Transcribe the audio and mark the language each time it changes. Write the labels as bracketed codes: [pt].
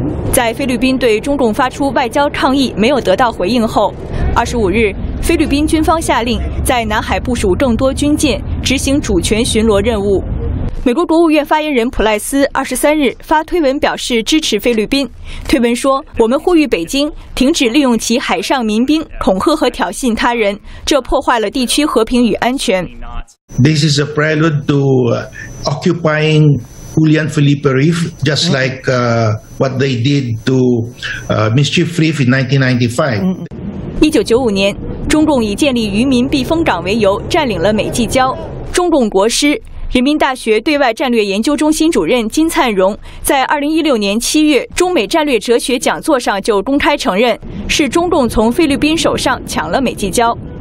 [zh] 在菲律宾对中共发出外交抗议没有得到回应后，25日，菲律宾军方下令在南海部署更多军舰，执行主权巡逻任务。美国国务院发言人普赖斯23日发推文表示支持菲律宾，推文说：“我们呼吁北京停止利用其海上民兵恐吓和挑衅他人，这破坏了地区和平与安全。” [en] This is a prelude to occupying Julian Felipe Reef, just like what they did to Mischief Reef in 1995. [zh] 1995年，中共以建立渔民避风港为由占领了美济礁，中共国师。人民大学对外战略研究中心主任金灿荣在2016年7月中美战略哲学讲座上就公开承认，是中共从菲律宾手上抢了美济礁。